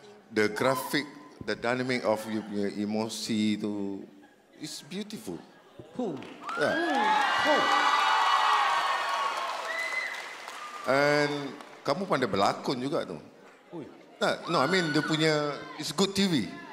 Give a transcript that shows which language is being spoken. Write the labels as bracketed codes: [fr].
[en] The graphic, the dynamic of you [ms] punya emosi tu [en] is beautiful. Cool. Yeah. Cool. [ms] And kamu pandai berlakon juga tu. [en] No, I mean [ms] dia punya [en] it's good TV.